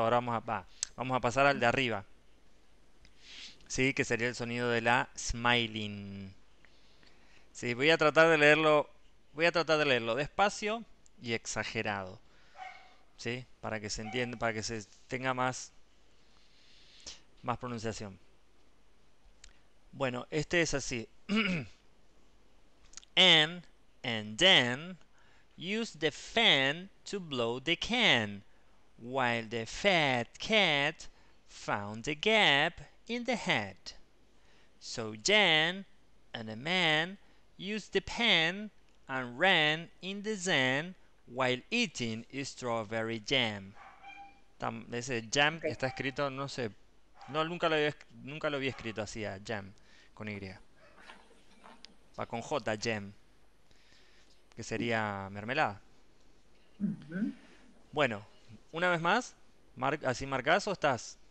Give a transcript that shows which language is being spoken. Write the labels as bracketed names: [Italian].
[Spanish] Ahora vamos a pasar al de arriba. Sí, que sería el sonido de la smiling. Sí, voy a tratar de leerlo despacio y exagerado. ¿Sí? Para que se entienda, para que se tenga más pronunciación. Bueno, este es así. [English] And then use the fan to blow the can while the fat cat found the gap in the head. So Jan and a man used the pen and ran in the sand while eating strawberry jam. [Spanish] Ese jam está escrito, no sé, no, nunca lo había escrito así, jam con Y. Va con J, jam, que sería mermelada. Bueno, una vez más, ¿así marcas o estás?